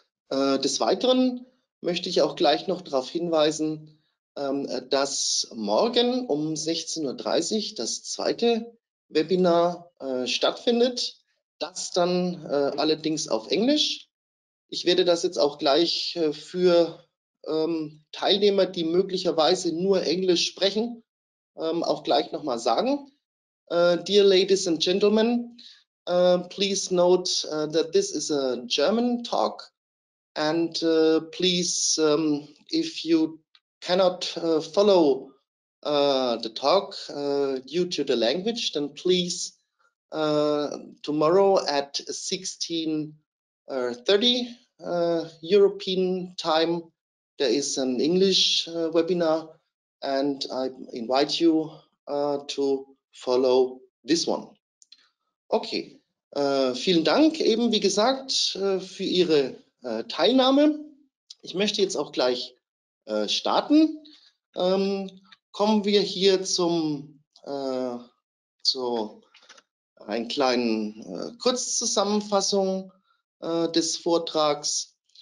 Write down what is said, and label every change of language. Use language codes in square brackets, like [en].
[de] Des Weiteren möchte ich auch gleich noch darauf hinweisen, dass morgen um 16:30 Uhr das zweite Webinar stattfindet, das dann allerdings auf Englisch. Ich werde das jetzt auch gleich für Teilnehmer, die möglicherweise nur Englisch sprechen, auch gleich nochmal sagen. [en] Dear ladies and gentlemen, please note that this is a German talk. And please, if you cannot follow the talk due to the language, then please tomorrow at 16:30 European time, there is an English webinar, and I invite you to follow this one. [de] Okay, vielen Dank eben, wie gesagt, für Ihre Teilnahme. Ich möchte jetzt auch gleich starten. Kommen wir hier zu einer kleinen Kurzzusammenfassung des Vortrags.